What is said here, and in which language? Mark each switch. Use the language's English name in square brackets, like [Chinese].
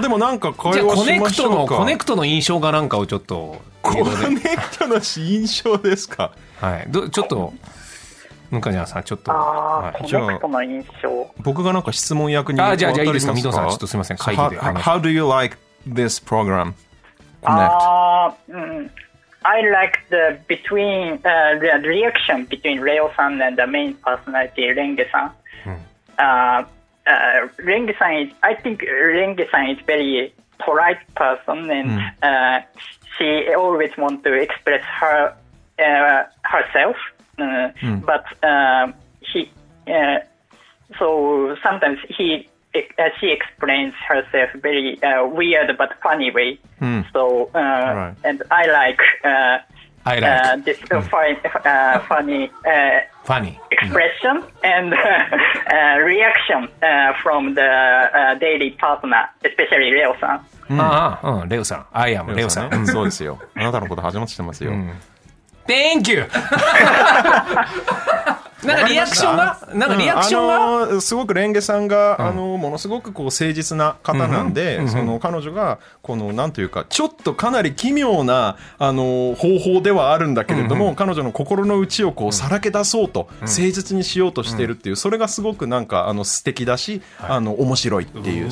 [Japanese] でもなんか会話しましょうか。じゃあコネクトの印象がなんかをちょっと、コネクトの印象ですか。はい。ちょっと。向川さん、ちょっと、コネクトの印象、僕がなんか質問役に渡りますか。じゃあいいですか、水戸さん、ちょっとすみません、会議で話して。 [English] How do you like this program? I like the the reaction between Leo san and the main personality Renge san. Renge san is, I think Renge san is very polite person and she always want to express her herself. But so sometimes she explains herself very weird but funny way. And I like this funny expression and reaction from the daily partner, especially Leo-san. Leo-san, I am Leo-san. [Japanese] そうですよ。あなたのこと初めて知ってますよ。 [English] Thank you. [Japanese] なんかリアクションが、すごくレンゲさんが、ものすごくこう誠実な方なんで、その彼女がこのなんというか、ちょっとかなり奇妙な方法ではあるんだけれども、彼女の心の内をこうさらけ出そうと、誠実にしようとしているっていう、それがすごくなんか素敵だし、面白いっていう。